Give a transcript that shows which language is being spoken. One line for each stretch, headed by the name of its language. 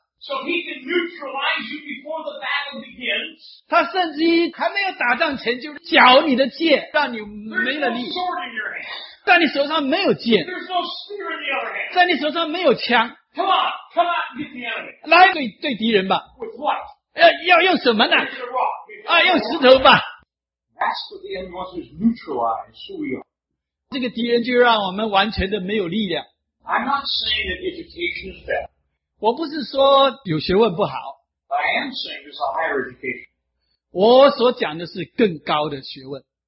English: So he can neutralize you before the battle begins.
Chinese: 他甚至于还没有打仗前就缴你的剑，让你没了力。
English: There's no sword in your hand.
Chinese: 在你手上没有剑。
English: There's no spear in the other hand.
Chinese: 在你手上没有枪。
English: Come on, come on, get the enemy.
Chinese: 来对敌人吧。
English: With what?
Chinese: 要用什么呢？
English: Use a rock.
Chinese: 啊，用石头吧。
English: That's what the enemy wants is neutralize who we are.
Chinese: 这个敌人就让我们完全的没有力量。
English: I'm not saying that education is bad.
Chinese: 我不是说有学问不好。
English: I am saying it's a higher education.
Chinese: 我所讲的是更高的学问。